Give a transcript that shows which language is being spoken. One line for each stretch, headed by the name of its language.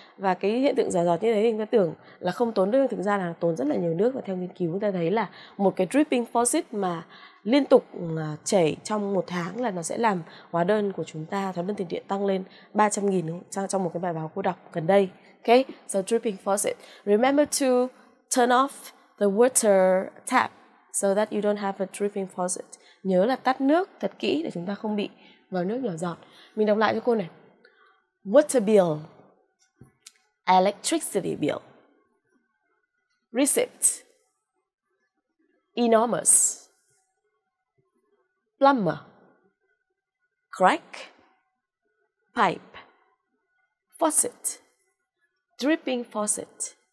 Vietnamese: Và cái hiện tượng giọt giọt như thế thì chúng ta tưởng là không tốn nước, thực ra là tốn rất là nhiều nước. Và theo nghiên cứu chúng ta thấy là một cái dripping faucet mà liên tục chảy trong một tháng là nó sẽ làm hóa đơn của chúng ta, hóa đơn tiền điện tăng lên 300.000 trong một cái bài báo cô đọc gần đây.
English: Okay, so dripping faucet, remember to turn off the water tap so that you don't have a dripping faucet.
Vietnamese: Nhớ là tắt nước thật kỹ để chúng ta không bị vòi nước nhỏ giọt. Mình đọc lại cho cô này.
English: Water bill, electricity bill, receipt, enormous, plumber, crack, pipe, faucet, dripping faucet.